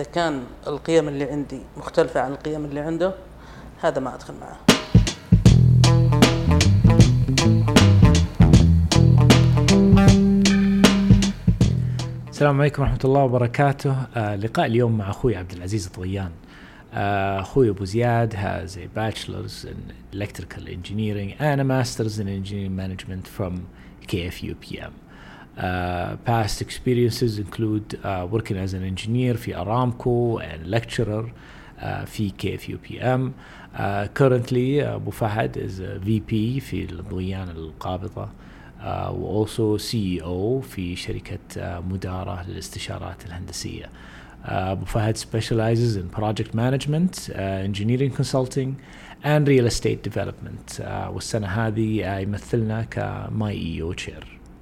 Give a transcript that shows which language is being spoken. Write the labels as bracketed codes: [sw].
[ar] إذا كان القيم اللي عندي مختلفة عن القيم اللي عنده هذا ما أدخل معه. السلام عليكم ورحمة الله وبركاته. لقاء اليوم مع أخوي عبدالعزيز الطغيان. [en] أخوي أبو زياد has a bachelor's in electrical engineering and a master's in engineering management from KFUPM. Past experiences include working as an engineer في Aramco and lecturer في KFUPM. [ar] Currently أبو فهد [en] is a VP [ar] في الضغيان القابضة وأوسو CEO في شركة مدارة للاستشارات الهندسية. [en] أبو فهد specializes in project management, engineering consulting and real estate development. [ar] والسنة هذه يمثلنا كماي إيو تشير.